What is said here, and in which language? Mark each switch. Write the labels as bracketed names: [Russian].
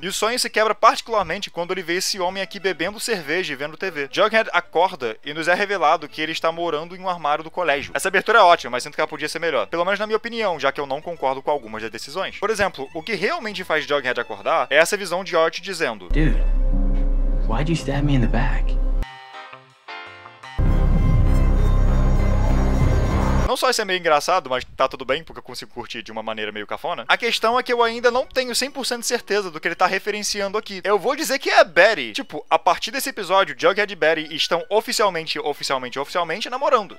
[Portuguese] E o sonho se quebra particularmente quando ele vê esse homem aqui bebendo cerveja e vendo TV. Jughead acorda e nos é revelado que ele está morando em um armário do colégio. Essa abertura é ótima, mas sinto que ela podia ser melhor. Pelo menos na minha opinião, já que eu não concordo com algumas das decisões. Por exemplo, o que realmente faz Jughead acordar é essa visão de Art dizendo: [English] "Dude, why'd you stab me in the back?" [Portuguese] Não só isso é meio engraçado, mas tá tudo bem, porque eu consigo curtir de uma maneira meio cafona. A questão é que eu ainda não tenho 100% de certeza do que ele tá referenciando aqui. Eu vou dizer que é Betty. Tipo, a partir desse episódio, Jughead e Betty estão oficialmente namorando.